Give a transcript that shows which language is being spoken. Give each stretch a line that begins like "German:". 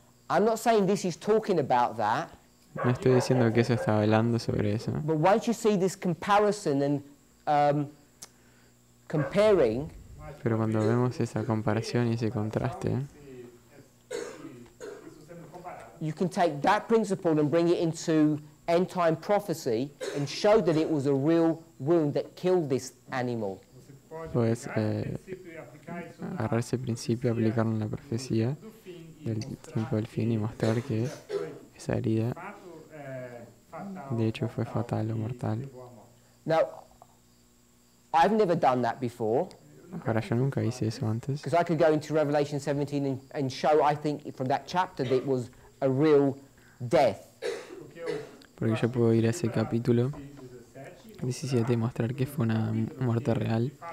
English: I'm not saying this is talking about that.
Spanish: No estoy diciendo que eso está hablando sobre eso.
English: But once you see this comparison and comparing.
Spanish: Pero cuando vemos esa comparación y ese contraste,
English: you can take that principle and bring it into end time prophecy and show that it was a real wound that killed this animal.
Spanish: Puedes agarrar ese principio y aplicarlo en la profecía del tiempo del fin y mostrar que esa herida de hecho fue fatal o mortal.
English: Now, I've never done that before.
Spanish: Ahora, yo nunca hice eso antes.
English: Because I could go into Revelation 17 and show, I think, from that chapter that it was a real death.
Spanish: Porque yo puedo ir a ese capítulo 17 y mostrar que fue una muerte real.